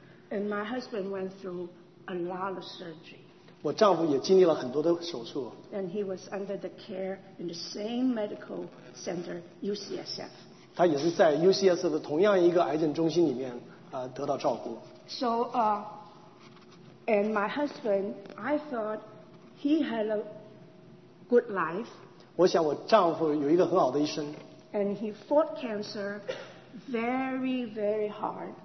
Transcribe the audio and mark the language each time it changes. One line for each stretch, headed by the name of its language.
English: And my husband went through a lot of surgery.
Chinese: 我丈夫也经历了很多的手术。
English: And he was under the care in the same medical center, UCSF.
Chinese: 他也是在 UCSF 的同样一个癌症中心里面、得到照顾。
English: So, and my husband, I thought he had a good life.
Chinese: 我想我丈夫有一个很好的医生。
English: And he fought cancer very, very hard.